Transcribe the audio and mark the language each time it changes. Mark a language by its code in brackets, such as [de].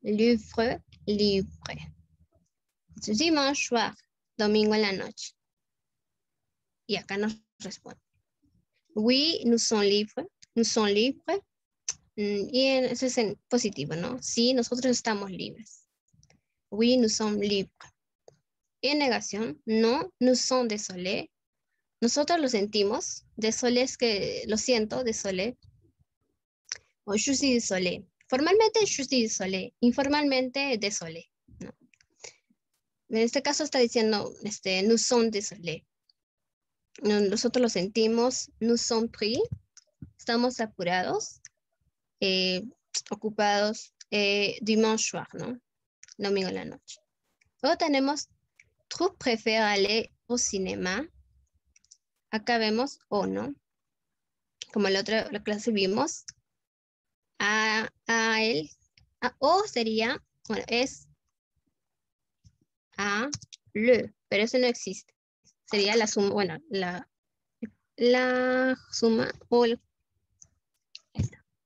[fr] Livre, libre. Dimanche soir, [es] domingo en la noche. Y acá nos responde. [fr] Oui, nous sommes libres. [es] Y eso es en positivo, ¿no? Sí, nosotros estamos libres. [fr] Oui, nous sommes libres. [es] Y en negación, no, [fr] nous sommes désolés. [es] Nosotros lo sentimos. Désolé es que lo siento, désolé. O [fr] je suis désolé. Formalmente, je suis désolé. [es] Informalmente, désolé. En este caso está diciendo, [fr] nous sommes désolés. [es] Nosotros lo sentimos. [fr] Nous sommes pris. [es] Estamos apurados. Ocupados. [fr] Dimanche soir, [es] ¿no? Domingo en la noche. Luego tenemos, [fr] tu préfères aller au cinéma. [es] Acá vemos, o no. Como la otra clase vimos. A él. A, o sería, bueno, es a le, pero eso no existe. Sería la suma, bueno, la suma o el. Está.